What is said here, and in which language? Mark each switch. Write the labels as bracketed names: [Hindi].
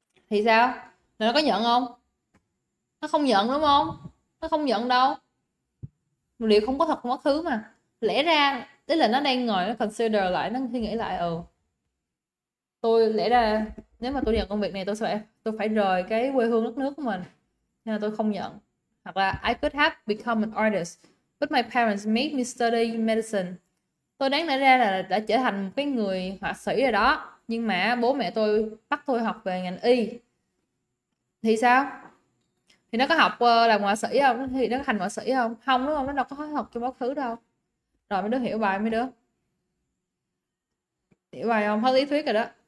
[Vietnamese] Thì sao? Là nó có nhận không? Nó không nhận đúng không? Nó không nhận đâu. Liệu không có thật trong quá khứ mà lẽ ra tức là nó đang ngồi nó consider lại, nó suy nghĩ lại. Tôi lẽ ra nếu mà tôi nhận công việc này tôi phải rời cái quê hương đất nước của mình, nên là tôi không nhận. Hoặc là [English] I could have become an artist, but my parents made me study medicine. [Vietnamese] Tôi đáng lẽ ra là đã trở thành một cái người họa sĩ rồi đó, nhưng mà bố mẹ tôi bắt tôi học về ngành y. Thì sao? Thì nó có học làm họa sĩ không? Thì nó có thành họa sĩ không? Không đúng không? Nó đâu có học trong quá khứ đâu. Rồi mấy đứa hiểu bài, mấy đứa hiểu bài không? Hết lý thuyết rồi đó.